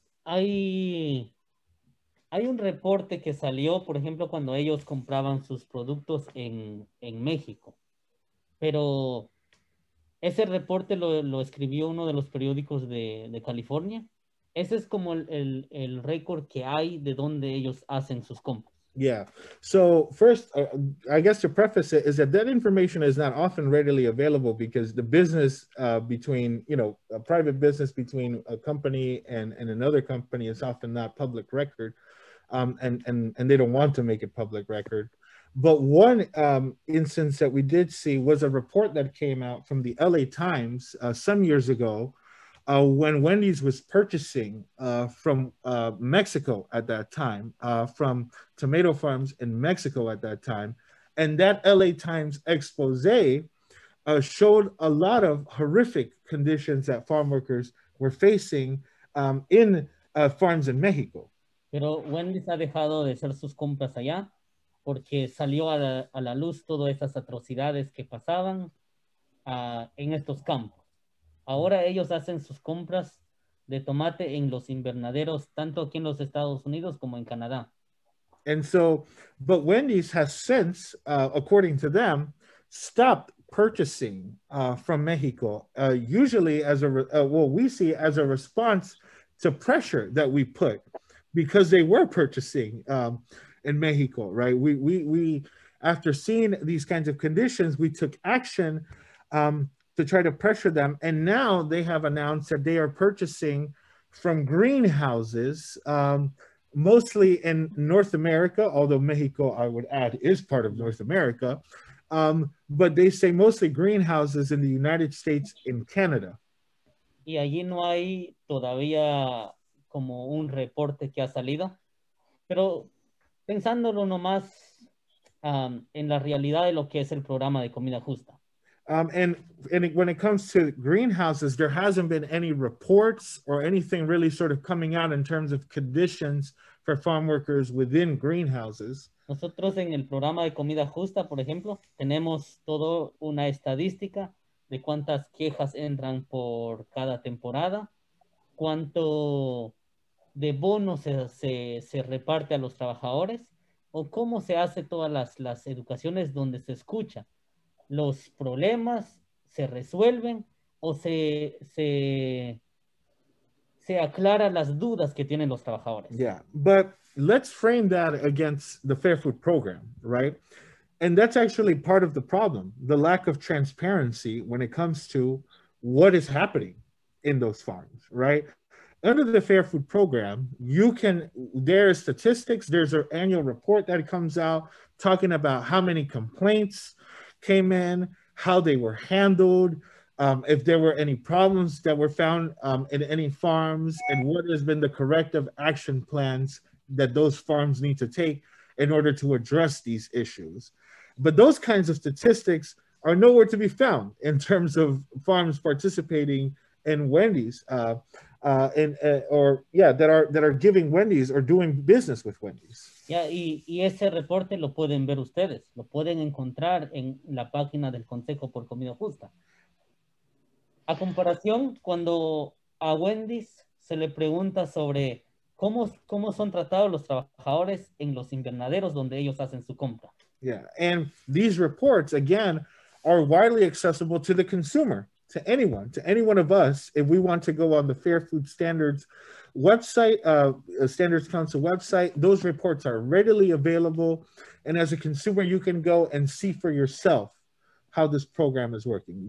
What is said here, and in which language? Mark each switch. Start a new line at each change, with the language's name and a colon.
Spanish: hay un reporte que salió, por ejemplo, cuando ellos compraban sus productos en México, pero ese reporte lo escribió uno de los periódicos de California. Ese es como el récord que hay de donde ellos hacen sus compras.
English: Yeah. So first, I guess to preface it is that information is not often readily available because the business between, you know, a private business between a company and another company is often not public record, and they don't want to make it public record. But one instance that we did see was a report that came out from the LA Times some years ago when Wendy's was purchasing from Mexico at that time, from tomato farms in Mexico at that time. And that LA Times expose showed a lot of horrific conditions that farm workers were facing in farms in Mexico.
Spanish: Pero Wendy's ha dejado de hacer sus compras allá porque salió a la luz todas esas atrocidades que pasaban en estos campos. Ahora ellos hacen sus compras de tomate en los invernaderos, tanto aquí en los Estados Unidos como en Canadá.
English: And so, but Wendy's has since, according to them, stopped purchasing from Mexico, usually as a, we see as a response to pressure that we put, because they were purchasing in Mexico, right? We after seeing these kinds of conditions, we took action, to try to pressure them. And now they have announced that they are purchasing from greenhouses, mostly in North America, although Mexico, I would add, is part of North America. But they say mostly greenhouses in the United States and Canada.
Spanish: Y allí no hay todavía como un reporte que ha salido. Pero pensándolo nomás en la realidad de lo que es el programa de comida justa.
English: And when it comes to greenhouses, there hasn't been any reports or anything really sort of coming out in terms of conditions for farm workers within greenhouses.
Spanish: Nosotros en el programa de comida justa, por ejemplo, tenemos todo una estadística de cuántas quejas entran por cada temporada, cuánto de bonos se reparte a los trabajadores, o cómo se hace todas las educaciones donde se escucha. Los problemas se resuelven o se aclara las dudas que tienen los trabajadores.
English: Yeah, but let's frame that against the Fair Food Program, right? And that's actually part of the problem, the lack of transparency when it comes to what is happening in those farms, right? Under the Fair Food Program, there are statistics, there's an annual report that comes out talking about how many complaints came in, how they were handled, if there were any problems that were found in any farms, and what has been the corrective action plans that those farms need to take in order to address these issues. But those kinds of statistics are nowhere to be found in terms of farms participating in Wendy's that are giving Wendy's or doing business with Wendy's.
Spanish: Ya, y ese reporte lo pueden ver ustedes, lo pueden encontrar en la página del Consejo por Comida Justa. A comparación, cuando a Wendy's se le pregunta sobre cómo son tratados los trabajadores en los invernaderos donde ellos hacen su compra.
English: Yeah, and these reports, again, are widely accessible to the consumer, to anyone of us, if we want to go on the Fair Food Standards website, Standards Council website, those reports are readily available. And as a consumer, you can go and see for yourself how this program is working.